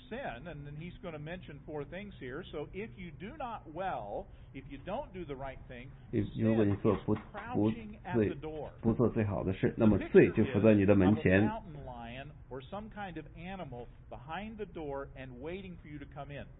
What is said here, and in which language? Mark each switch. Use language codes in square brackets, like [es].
[en] sin, and then he's going to mention four things here. So if you do not well, if you don't do the right thing, sin is crouching at the door. [zh] 不做最好的事，那么罪就伏在你的门前。 [en] A mountain lion or some kind of animal behind the door and waiting for you to come in.